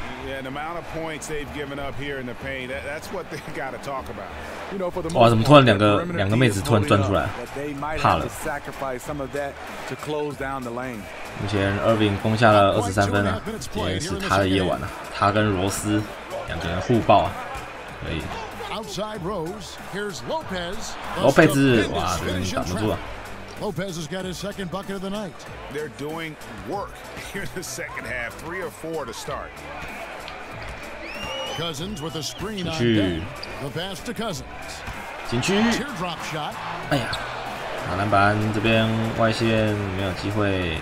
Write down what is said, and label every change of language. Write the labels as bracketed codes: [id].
[en] Yeah, the amount of points they've given up here in the paint—that's what they got to talk about. You know, for the [zh] 哇，怎么突然两个妹子突然钻出来？怕了。目前 Irving 攻下了23分啊，今天是他的夜晚啊，他跟罗斯两个人互爆啊，可以。 [en] Outside Rose, here's Lopez. [zh] Lopez, 哇，这人挡不住啊。 [en] Lopez has got his second bucket of the night. They're doing work here in the second half, three or four to start. Cousins with a screen on the pass to Cousins. [zh] 禁区。 [en] Teardrop shot. [zh] 哎呀，打篮板这边外线没有机会。